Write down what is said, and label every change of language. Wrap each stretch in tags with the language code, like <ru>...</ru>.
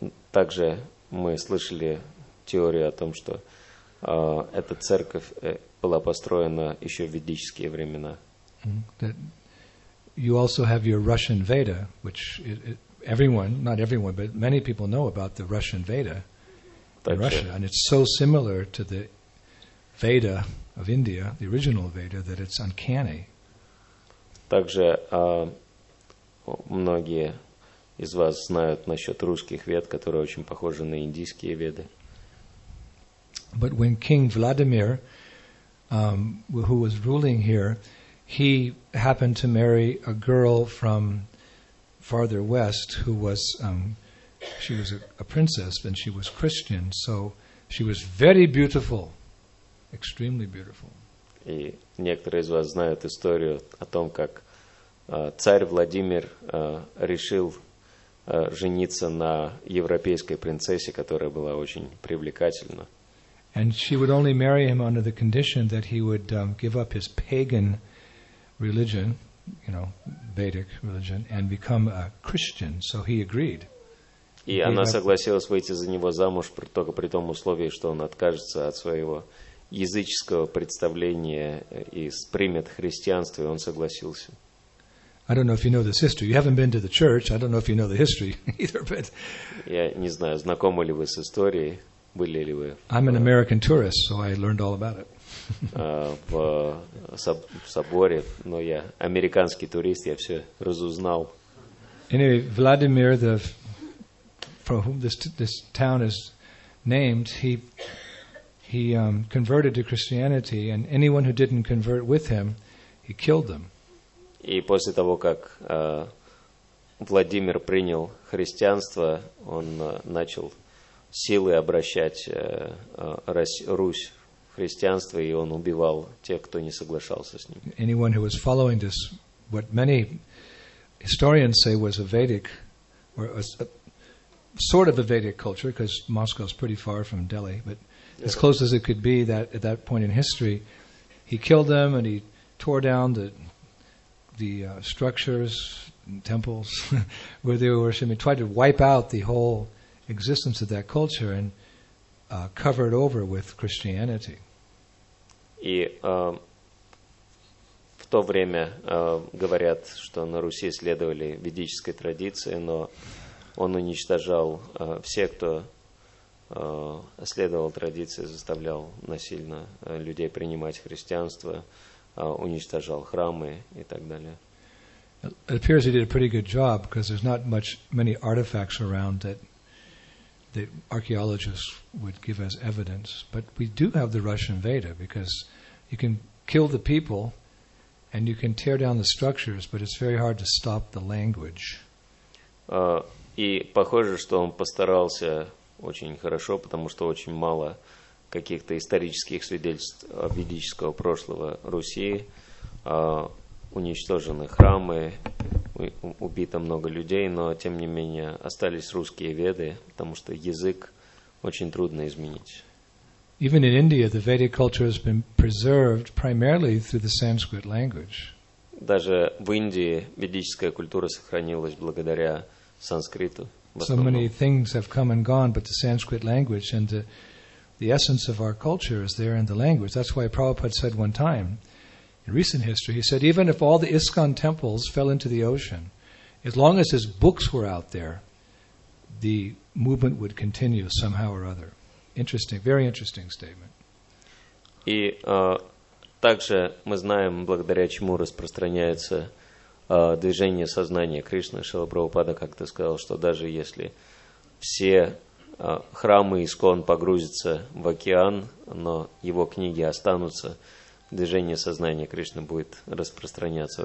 <ru>Также мы слышали теорию о том, что эта церковь была построена еще в ведические времена.</ru> <en>You also have your Russian Veda, which everyone, not everyone, but many people know about the Russian Veda in Russia. And it's so similar to the Veda of India, the original Veda, that it's uncanny.</en> <ru>Также многие из вас знают насчет русских вед, которые очень похожи на индийские веды.</ru> <en>But when King Vladimir, who was ruling here, he happened to marry a girl from farther west who was, she was a princess and she was Christian, so she was very beautiful, extremely beautiful.</en> <ru>И некоторые из вас знают историю о том, как царь Владимир решил жениться на европейской принцессе, которая была очень привлекательна.</ru> <en>And she would only marry him under the condition that he would give up his pagan religion, you know, Vedic religion, and become a Christian. So he agreed.</en> <ru>И она согласилась выйти за него замуж только при том условии, что он откажется от своего языческого представления и примет христианство, и он согласился.</ru> <en>I don't know if you know this history. You haven't been to the church. I don't know if you know the history either, but...</en> <ru>Я не знаю, знакомы ли вы с историей, были ли вы...</ru> <en>I'm an American tourist, so I learned all about it.</en> <ru>в соборе, но я американский турист, я все разузнал.</ru> <en>Anyway, Vladimir, for whom this town is named, he converted to Christianity, and anyone who didn't convert with him, he killed them.</en> <ru>И после того, как Владимир принял христианство, он начал силы обращать Русь в христианство, и он убивал тех, кто не соглашался с ним.</ru> <en>Anyone who was following this, what many historians say was a Vedic, or a sort of a Vedic culture, because Moscow is pretty far from Delhi, but as close as it could be that at that point in history, he killed them and he tore down the structures, temples where they were worshiping, tried to wipe out the whole existence of that culture and cover it over with Christianity.</en> <ru>И в то время говорят, что на Руси следовали ведической традиции, но он уничтожал все, кто следовал традиции, заставлял насильно людей принимать христианство, уничтожал храмы и так далее.</ru> <en>It appears he did a pretty good job because there's not many artifacts around that archaeologists would give as evidence. But we do have the Russian Veda because you can kill the people and you can tear down the structures, but it's very hard to stop the language.</en> <ru>И похоже, что он постарался очень хорошо, потому что очень мало каких-то исторических свидетельств ведического прошлого Руси. Уничтожены храмы, убито много людей, но, тем не менее, остались русские веды, потому что язык очень трудно изменить.</ru> <en>Even in India, the Vedic culture has been preserved primarily through the Sanskrit language.</en> <ru>Даже в Индии ведическая культура сохранилась благодаря санскриту.</ru> <en>So many things have come and gone, but the Sanskrit language and the essence of our culture is there in the language. That's why Prabhupada said one time, in recent history, he said, even if all the ISKCON temples fell into the ocean, as long as his books were out there, the movement would continue somehow or other. Interesting, very interesting statement.</en> <ru>И также мы знаем, благодаря чему распространяется движение сознания Кришны. Шрила Прабхупада как-то сказал, что даже если все храмы ISKCON погрузятся в океан, но его книги останутся, движение сознания Кришны будет распространяться.</ru>